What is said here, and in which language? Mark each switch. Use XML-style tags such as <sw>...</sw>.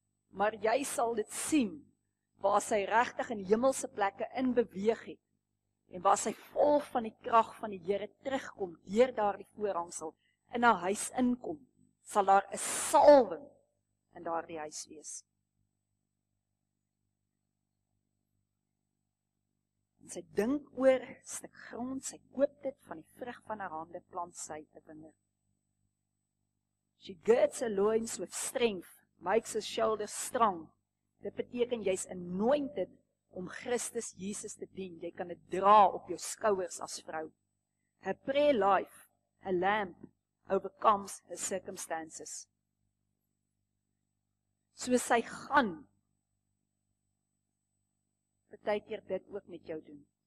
<af>Maar jy sal dit sien, waar sy regtig in hemelse plekke in beweeg het, en waar sy vol van die krag van die Here terugkom, deur daar die voorhangsel in haar huis inkom, sal daar 'n salwing in daar die huis wees. En sy dink oor stuk grond, sy koop dit van die vrug van haar hande, plant sy te winger.</af> <en>She girds her loins with strength, makes her shoulders strong.</en> <af>Dit beteken, jy is anointed om Christus Jesus te dien. Jy kan dit dra op jou skouers as vrou.</af> <en>Her prayer life, her lamp, overcomes her circumstances.</en> <af>So sy gaan partykeer dit ook met jou doen.</af>